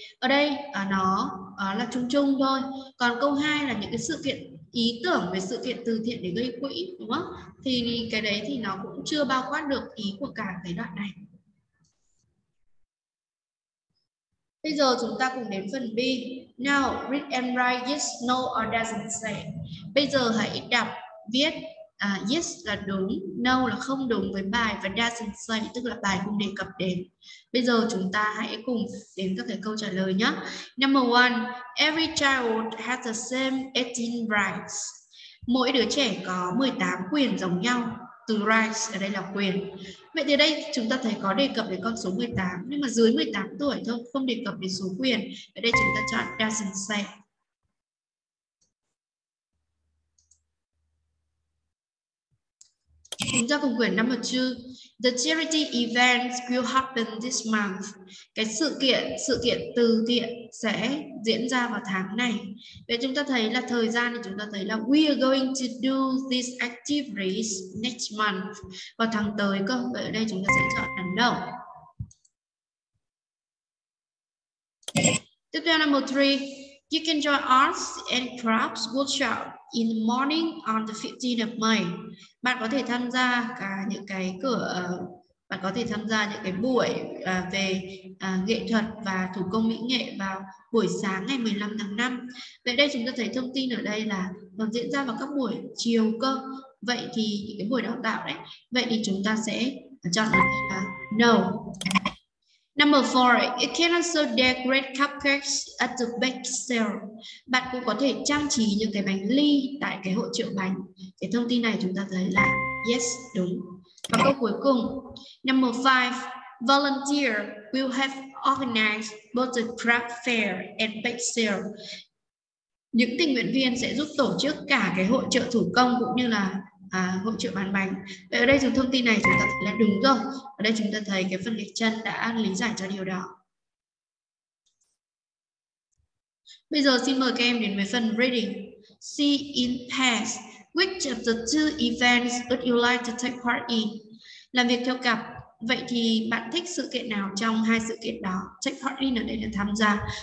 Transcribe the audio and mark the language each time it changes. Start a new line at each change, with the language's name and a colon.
Vietnamese: Ở đây nó là chung chung thôi. Còn câu 2 là những cái sự kiện, ý tưởng về sự kiện từ thiện để gây quỹ, đúng không? Thì cái đấy thì nó cũng chưa bao quát được ý của cả cái đoạn này. Bây giờ chúng ta cùng đến phần B.
English: Now, read and write yes, no or doesn't say.
Vietnamese: Bây giờ hãy đọc, viết yes là đúng, no là không đúng với bài và doesn't say tức là bài không đề cập đến. Bây giờ chúng ta hãy cùng đến các cái câu trả lời nhé.
English: Number one, every child has the same 18 rights.
Vietnamese: Mỗi đứa trẻ có 18 quyền giống nhau. Từ rights ở đây là quyền. Vậy thì đây chúng ta thấy có đề cập đến con số 18, nhưng mà dưới 18 tuổi thôi, không đề cập đến số quyền. Ở đây chúng ta chọn doesn't say. Chúng ta cùng quyển
English: number 2. The charity event will happen this month.
Vietnamese: Cái sự kiện từ thiện sẽ diễn ra vào tháng này. Vậy chúng ta thấy là thời gian thì chúng ta thấy là
English: we are going to do this activities next month.
Vietnamese: Vào tháng tới cơ. Vậy ở đây chúng ta sẽ chọn là no. Tiếp theo
English: number 3. You can join arts and crafts workshop in the morning on the 15th of May.
Vietnamese: Bạn có thể tham gia những cái buổi về nghệ thuật và thủ công mỹ nghệ vào buổi sáng ngày 15 tháng 5. Vậy đây chúng ta thấy thông tin ở đây là nó diễn ra vào các buổi chiều cơ. Vậy thì những cái buổi đào tạo đấy. Vậy thì chúng ta sẽ chọn là no.
English: Number 4, it can also decorate cupcakes at the bake sale.
Vietnamese: Bạn cũng có thể trang trí những cái bánh ly tại cái hội chợ bánh. Cái thông tin này chúng ta thấy là yes, đúng. Và câu cuối cùng,
English: number 5, volunteer will have organized both the craft fair and bake sale.
Vietnamese: Những tình nguyện viên sẽ giúp tổ chức cả cái hội chợ thủ công cũng như là hội chợ bán bánh. Vậy ở đây dùng thông tin này chúng ta thấy là đúng rồi. Ở đây chúng ta thấy cái phần lịch chân đã lý giải cho điều đó. Bây giờ xin mời các em đến với phần reading.
English: See in pairs, which of the two events would you like to take part in?
Vietnamese: Làm việc theo cặp. Vậy thì bạn thích sự kiện nào trong hai sự kiện đó? Take part in ở đây là tham gia.